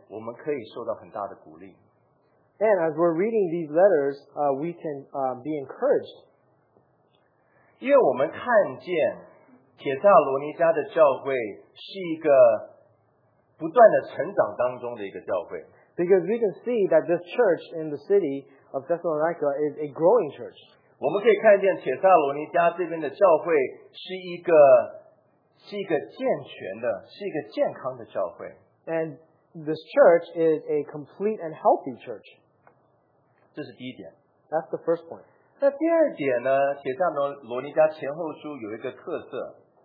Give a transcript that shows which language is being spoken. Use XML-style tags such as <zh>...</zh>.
<zh>所以对我们来说，当我们来看帖撒罗尼迦前后书的时候，我们可以感觉到，就是我们可以从这个教会里面，我们可以受到很大的鼓励。</zh> <en>And as we're reading these letters, we can be encouraged.</en> <zh>因为我们看见帖撒罗尼迦的教会是一个不断的成长当中的一个教会。</zh> <en>Because we can see that this church in the city of Thessalonica is a growing church.</en> <zh>我们可以看见帖撒罗尼迦这边的教会是一个健全的，是一个健康的教会。</zh> <en>And this church is a complete and healthy church.</en> <zh>这是第一点。</zh> <en>That's the first point.</en> <zh>那第二点呢，帖撒罗尼迦前后书有一个特色。</zh>